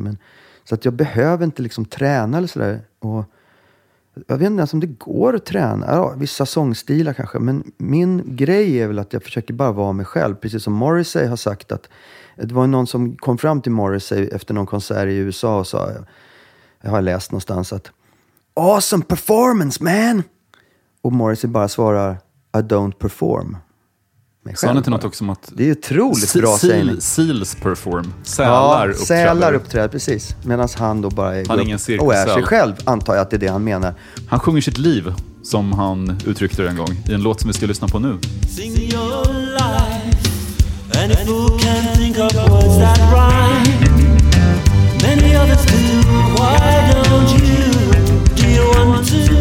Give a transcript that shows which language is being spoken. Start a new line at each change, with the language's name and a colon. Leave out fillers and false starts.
Swedish: Men, så att jag behöver inte liksom träna eller sådär. Och jag vet inte ens om det går att träna. Ja, vissa sångstilar kanske. Men min grej är väl att jag försöker bara vara mig själv. Precis som Morrissey har sagt. Att det var någon som kom fram till Morrissey efter någon konsert i USA. Och sa, jag har läst någonstans att
English: awesome performance, man!
Swedish: Och Morrissey bara svarar,
English: I don't perform.
Swedish: Sa han inte något också om att... Det är otroligt bra sägning.
English: Seals perform.
Swedish: Sälar uppträder. Sälar uppträder, precis. Medan han då bara är... Han är ingen cirkus. Och är sig själv, antar jag att det är det han menar. Han sjunger sitt liv, som han uttryckte en gång, i en låt som vi ska lyssna på nu.
English: Sing your life, and a fool can think of words that rhyme. Many others do, why don't you? Do you want to?